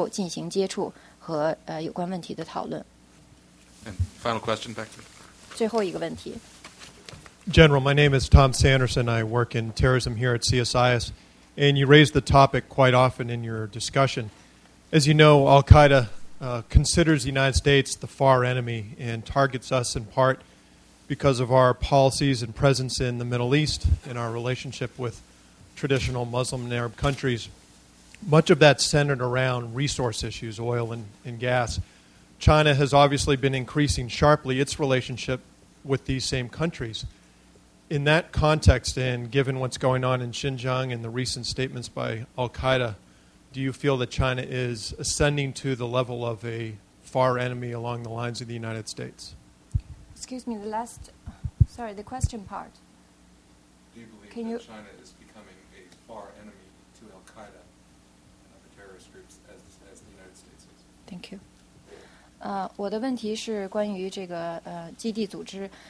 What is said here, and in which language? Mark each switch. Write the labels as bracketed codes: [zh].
[zh] 那在谈到中美，我谈我的问题是有关美国军方的。您知道这个，在美国呢，国防部不仅和军方有密切的关系，而且国防部和这个国务院，美国的国务院和一些国防机构、国防企业也都有非常密切的关系。那么在最近一次国务院领导人，美国国务院领导人一个代表团，国务院的一个代表团去访问中国的时候，他们提出这个要和北京、要和中国的国防部和军方的代表会面，因为在美国呢是国务院来负责轻武器的控制、小武器的控制，所以他们希望和中国的军方进行接触和交谈，就这些关于这些武器控制方面的议题进行交流的时候呢，这个要求被中方拒绝了。他们是和这个中国外交部的人进行交谈，而没有和中国军方的人进行接触。当然，中国外交部的人也是非常一个优秀的一个团队。我的问题就是在将来中美两国两军进行类似议题接触的时候，可否让中国人民解放军是不是可以和就是美国政府的除了国防部以外的其他机构进行接触和有关 [en] My name is Tom Sanderson. I work in terrorism here at CSIS, and you raise the topic quite often in your discussion. As you know, Al-Qaeda considers the United States the far enemy and targets us in part because of our policies and presence in the Middle East and our relationship with traditional Muslim and Arab countries. Much of that centered around resource issues, oil and gas. China has obviously been increasing sharply its relationship with these same countries. In that context, and given what's going on in Xinjiang and the recent statements by Al-Qaeda, do you feel that China is ascending to the level of a far enemy along the lines of the United States? Excuse me, the question part. Do you believe China is becoming a far enemy to Al-Qaeda and other terrorist groups as the United States is? Thank you. [zh] 我的问题是关于这个基地组织。